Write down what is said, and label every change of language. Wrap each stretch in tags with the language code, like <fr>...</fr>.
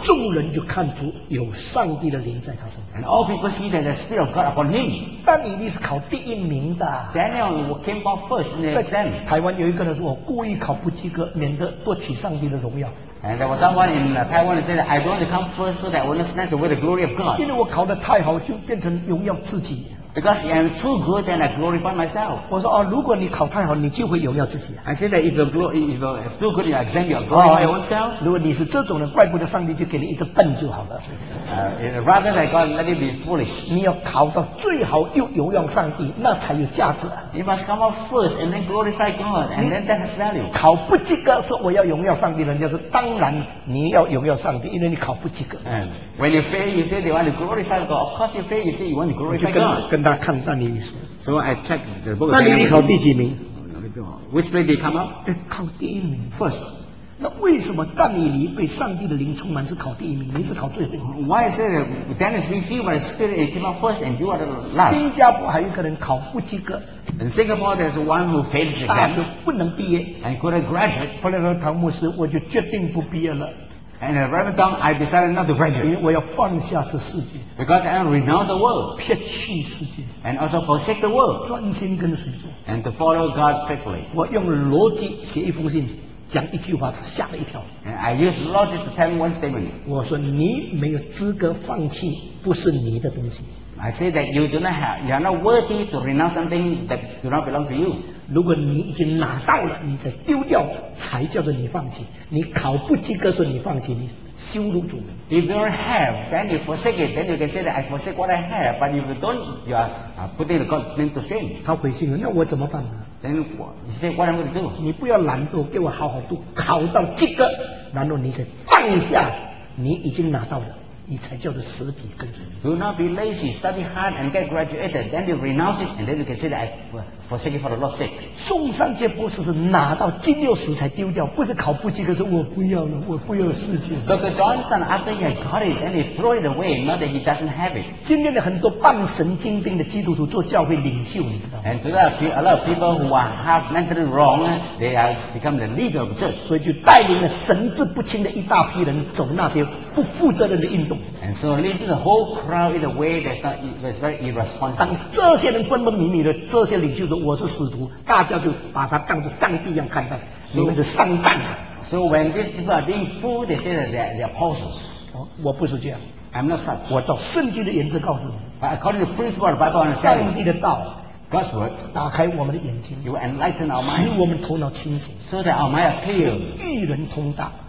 <zh>众人就看出有上帝的灵在他身上</zh> <en>，and all people see that the spirit of God upon him。</en> <zh>但以利是考第一名的</zh> <en>，Daniel came for first in the exam。</en> <zh>台湾有一个人说，我故意考不及格，免得夺取上帝的荣耀。</zh> <en>And there was someone in Taiwan who said, "I don't want to come first so that I will not snatch away the glory of God."</en> <zh>因为我考得太好，就变成荣耀自己。</zh> <en>Because I'm too good, then I glorify myself.</en> <zh>我说哦，如果你考太好，你就会荣耀自己。</zh> <en>I said that if you glory, if you have too good, you exempt your glory yourself.</en> <zh>如果你是这种人，怪不得上帝就给你一直笨就好了。</zh> <en>Rather than God let you be foolish.</en> <zh>你要考到最好又荣耀上帝，那才有价值。</zh> <en>You must come out first and then glorify God, and then that has value.</en> <zh>考不及格说我要荣耀上帝，人家说当然你要荣耀上帝，因为你考不及格。</zh> <en>And when you fail, you say you want to glorify God. Of course, you fail, you say you want to glorify God.</en> <zh>跟他看到你意思。</zh> <en>So I check the book.</en> <zh>那你考第几名</zh> <en>？Which place did come up？</en> <zh>考第一名 ，</zh> <en>first。</en> <zh>那为什么但以理被上帝的灵充满是考第一名，你是考最后</zh> <en>？Why is it Dennis being filled with the Spirit and came up first and you are the last？</en> <zh>新加坡还有一个人考不及格。</zh> <en>In Singapore, there's one who failed the exam.</en> <zh>不能毕业。</zh> <en>And couldn't graduate.</en> <zh>后来说唐牧师，我就决定不毕业了。</zh> <en>And at Reverend Dong, I decided not to venture.</en> <zh>我要放下这世界。</zh> <en>Because I want to renounce the world.</en> <zh>撇弃世界。</zh> <en>And also forsake the world.</en> <zh>专心跟随主。</zh> <en>And to follow God faithfully.</en> <zh>我用逻辑写一封信，讲一句话，他吓了一跳。</zh> <en>And I use logic to tell one statement.</en> <zh>我说你没有资格放弃，不是你的东西。</zh> <en>I say that you do not have, you are not worthy to renounce something that do not belong to you.</en> <zh>如果你已经拿到了，你再丢掉才叫做你放弃。你考不及格说你放弃，你羞辱主人。</zh> <en>If you don't have, then you forsake it. Then you can say that I forsake what I have. But if you don't, you are putting God's name to shame.</en> <zh>他回信了，那我怎么办呢</zh> <en>？Then you say what I'm going to do?</en> <zh>你不要懒惰，给我好好读，考到及格，然后你再放下你已经拿到的。你才叫做舍己跟随。</zh> <en>Do not be lazy, study hard and get graduated. Then you renounce it, and then you can say that I forsake it for the Lord's sake.</en> <zh>宋尚杰博士是拿到金六十才丢掉，不是考不及格说我不要了，我不要世界。</zh> <en>Dr. Johnson, after he got it, then he threw it away, not that he doesn't have it.</en> <zh>今天的很多半神经病的基督徒做教会领袖，你知道吗</zh> <en>？And today, a lot of people who are half mentally wrong, they are become the leader of church.</en> <zh>所以就带领了神志不清的一大批人走那些不负责任的运动。</zh> <en>And so leading the whole crowd in a way that's not that's very irresponsible.</en> <zh>当这些人分分明明的，这些领袖说我是使徒，大家就把他当作上帝一样看待，你们是上当的。</zh> <en>So when these people are being fooled, they say that they're apostles.</en> <zh>我不是这样。</zh> <en>I'm not such.</en> <zh>我照圣经的原则告诉你。</zh> <en>But according to the principle of the Bible, I understand.</en> <zh>上帝的道。</zh> <en>God's word.</en> <zh>打开我们的眼睛。</zh> <en>You enlighten our mind.</en> <zh>使我们头脑清醒。</zh> <en>So that our mind clear.</en> <zh>与人通达。</zh>